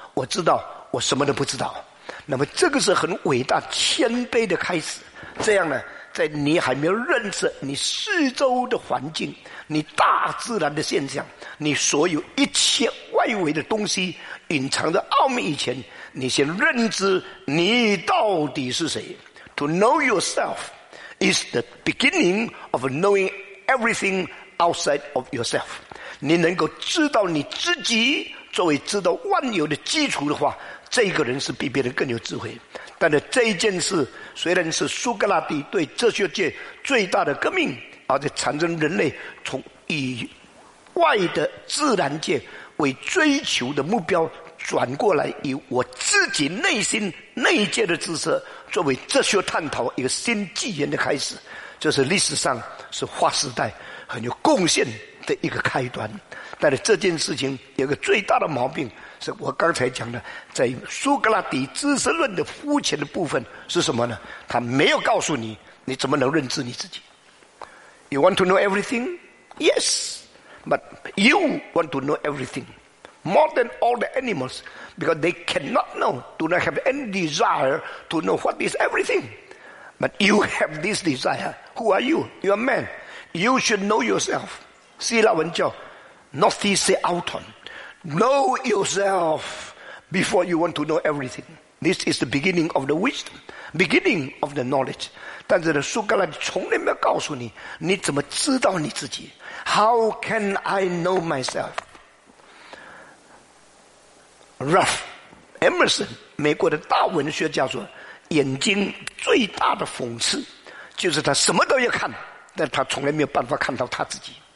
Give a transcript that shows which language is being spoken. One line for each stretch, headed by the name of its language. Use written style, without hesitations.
Chinese: 我知道我什么都不知道。那么这个是很伟大谦卑的开始，这样呢在你还没有认识你四周的环境，你大自然的现象，你所有一切外围的东西隐藏的奥秘以前，你先认知你到底是谁。
English: To know yourself is the beginning of knowing everything outside of yourself。
Chinese: 你能够知道你自己，作为知道万有的基础的话，这个人是比别人更有智慧。但是这一件事虽然是苏格拉底对哲学界最大的革命，而且产生人类从以外的自然界为追求的目标，转过来以我自己内心内界的知识作为哲学探讨一个新纪元的开始，这是历史上是划时代很有贡献的一个开端。但是这件事情有个最大的毛病，是我刚才讲的，在苏格拉底知识论的肤浅的部分是什么呢？他没有告诉你，你怎么能认知你自己。
English: You want to know everything? Yes, but you want to know everything more than all the animals, because they cannot know, do not have any desire to know what is everything. But you have this desire. Who are you? You are man. You should know yourself.
Chinese: 希腊文叫 Nothise auton.
English: Know yourself before you want to know everything. This is the beginning of the wisdom, beginning of the knowledge.
Chinese: 但是呢，苏格拉底从来没有告诉你，你怎么知道你自己？
English: How can I know myself?
Chinese: Ralph Emerson, 美国的大文学家说，眼睛最大的讽刺就是他什么都要看，但他从来没有办法看到他自己。